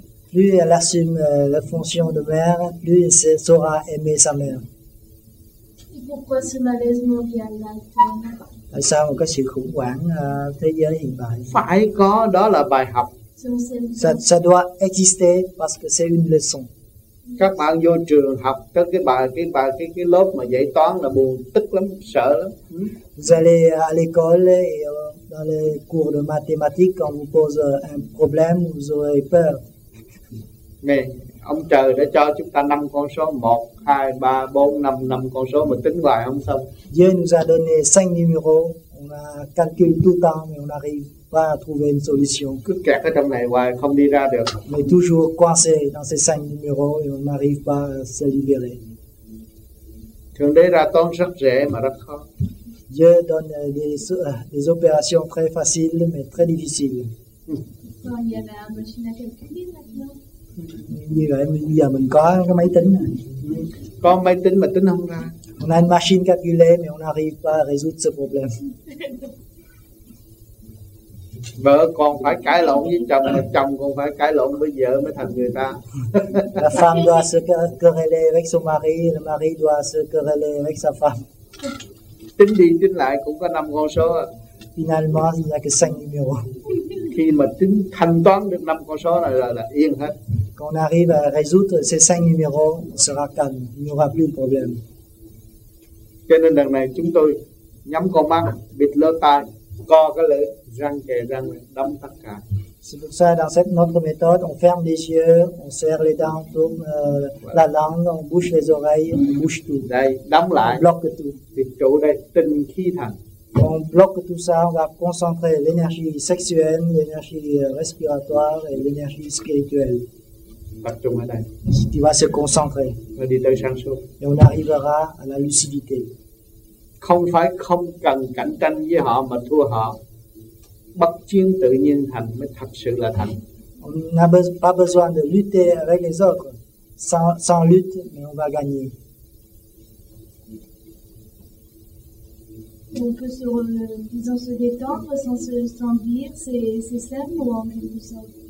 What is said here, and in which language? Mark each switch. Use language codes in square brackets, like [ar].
[fr] Plus elle assume la fonction de mère, plus elle saura aimer sa mère. Et pourquoi ce malaise mondial là? [vi] Tại sao có sự khủng hoảng thế giới hiện tại? Phải có, đó là bài học. [fr] Ça doit exister parce que c'est une leçon. [vi] Các bạn vô trường học tới cái lớp mà dạy toán là buồn, tức lắm, sợ lắm. [fr] Vous allez à l'école et dans les cours de mathématiques, quand vous pose un problème, vous aurez peur. Mais [vi] ông trời đã cho chúng ta 5 con số 1, 2, 3, 4, 5, 5 con số mà tính hoài không xong. [fr] Dieu nous a donné 5 numéros, on a calculé tout le temps mais on n'arrive pas à trouver une solution. [vi] Cứ kẹt ở trong này hoài, không đi ra được. [fr] Mais toujours coincé dans ces 5 numéros et on n'arrive pas à se libérer. [vi] Thượng đế ra toán rất rẻ mà rất khó. [fr] Dieu donne des opérations très faciles mais très difficiles. Quand il y avait un machine à calculer maintenant. [vi] Như vậy bây giờ mình có cái máy tính này. Có máy tính mà tính không ra. [fr] On a une machine calculée mais on n'arrive pas à résoudre ce problème. [vi] Vợ con phải cãi lộn với chồng, chồng con phải cãi lộn với vợ mới thành người ta. [fr] La femme doit se quereller avec son mari, le mari doit se quereller avec sa femme. [vi] Tính đi tính lại cũng có 5 con số. [fr] Finalement, il n'y a que 5 numéros. [vi] Khi mà tính thanh toán được 5 con số này là yên hết. [fr] Quand on arrive à résoudre ces 5 numéros, on sera calme, il n'y aura plus de problème. [vi] Cho nên lần này chúng tôi nhắm con mắt, bịt lỗ tai, co cái lưỡi, răng kề răng, đóng tất cả. [fr] C'est pour ça, dans cette notre méthode, on ferme les yeux, on serre les dents, tourne la langue, on bouche les oreilles, on bouche tout. [vi] Đây, đóng lại. [fr] On bloque tout. [vi] Thì chỗ đây, tinh khí thần. [fr] On bloque tout ça, on va concentrer l'énergie sexuelle, l'énergie respiratoire et l'énergie spirituelle. Si tu vas se concentrer. Et on arrivera à la lucidité. [vi] Không phải không cần cạnh tranh với họ mà thua họ. Bất chiến tự nhiên thành mới thật sự là thành. [fr] On n'a pas besoin de lutter avec les autres. Sans lutte, mais on va gagner. On peut se, disons, se détendre sans se sentir, c'est simple ou en quelque sorte.